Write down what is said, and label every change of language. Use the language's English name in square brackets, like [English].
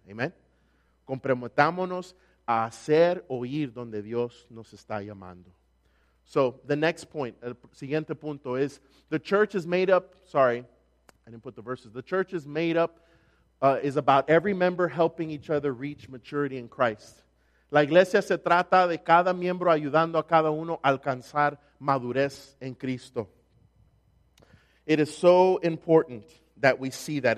[English] Amen? [Spanish] Comprometámonos a hacer oír donde Dios nos está llamando. [English] So, the next point, [Spanish] el siguiente punto [English] is, the church is made up, sorry, I didn't put the verses, the church is made up, is about every member helping each other reach maturity in Christ. [Spanish] La iglesia se trata de cada miembro ayudando a cada uno a alcanzar madurez en Cristo. [English] It is so important that we see that.